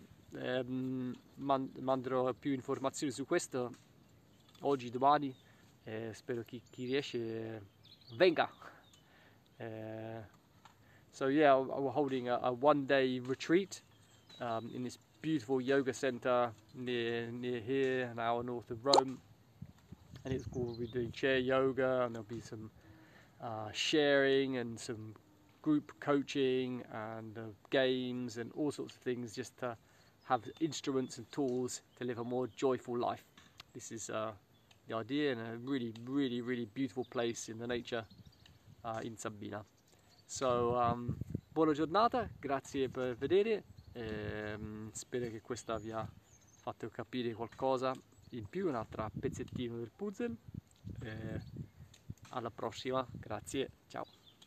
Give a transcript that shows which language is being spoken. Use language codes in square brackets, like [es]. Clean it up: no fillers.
[it] Manderò più informazioni su questo oggi, domani, e spero che chi riesce venga. [en] We're holding a one-day retreat in this beautiful yoga center near here, an hour north of Rome. And it's cool. We'll be doing chair yoga, and there'll be some sharing and some group coaching and games and all sorts of things, just to have instruments and tools to live a more joyful life. This is the idea, and a really, really, really beautiful place in the nature. [it] In Sabina. Buona giornata, grazie per vedere, spero che questa vi ha fatto capire qualcosa in più, un altro pezzettino del puzzle. Alla prossima, grazie, ciao.